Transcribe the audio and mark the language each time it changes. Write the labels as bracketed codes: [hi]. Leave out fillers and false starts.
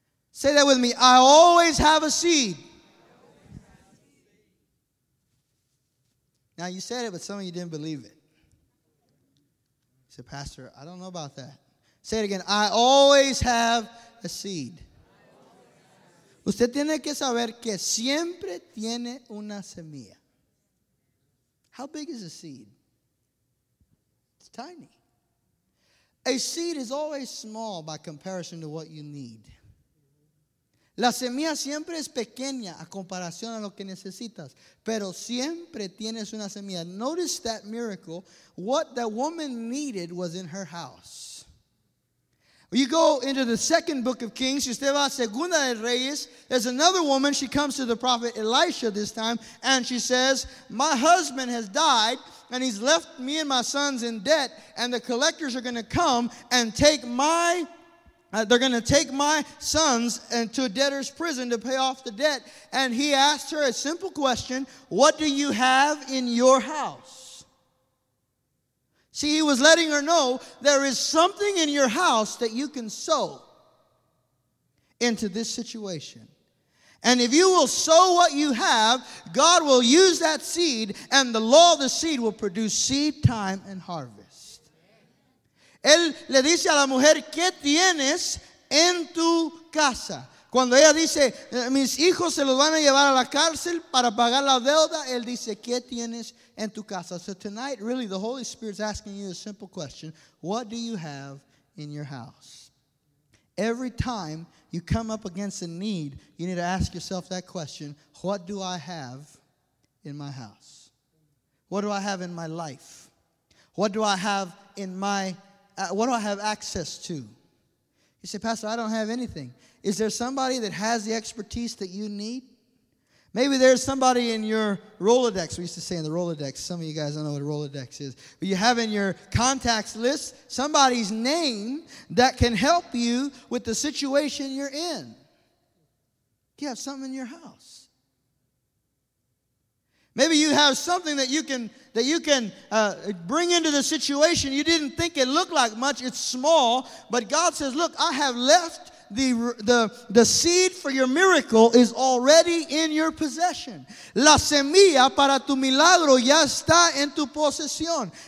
[en] Say that with me. I always have a seed. Now, you said it, but some of you didn't believe it. You said, Pastor, I don't know about that. Say it again. I always have a seed. [es] Usted tiene que saber que siempre tiene una semilla. [en] How big is a seed? It's tiny. A seed is always small by comparison to what you need. [es] La semilla siempre es pequeña a comparación a lo que necesitas, pero siempre tienes una semilla. [en] Notice that miracle. What that woman needed was in her house. You go into the second book of Kings. [es] Usted va a Segunda de Reyes. [en] There's another woman. She comes to the prophet Elisha this time, and she says, my husband has died, and he's left me and my sons in debt, and the collectors are going to come and take my they're going to take my sons into a debtor's prison to pay off the debt. And he asked her a simple question, what do you have in your house? See, he was letting her know there is something in your house that you can sow into this situation. And if you will sow what you have, God will use that seed, and the law of the seed will produce seed time and harvest. [es] Él le dice a la mujer, ¿qué tienes en tu casa? Cuando ella dice, mis hijos se los van a llevar a la cárcel para pagar la deuda, él dice, ¿qué tienes en tu casa? [en] So tonight, really, the Holy Spirit's asking you a simple question. What do you have in your house? Every time you come up against a need, you need to ask yourself that question. What do I have in my house? What do I have in my life? What do I have in my what do I have access to? You say, Pastor, I don't have anything. Is there somebody that has the expertise that you need? Maybe there's somebody in your Rolodex. We used to say in the Rolodex. Some of you guys don't know what a Rolodex is. But you have in your contacts list somebody's name that can help you with the situation you're in. You have something in your house. Maybe you have something that you can bring into the situation. You didn't think it looked like much. It's small. But God says, look, I have left the seed for your miracle is already in your possession. [es] La semilla para tu milagro ya está en tu posesión.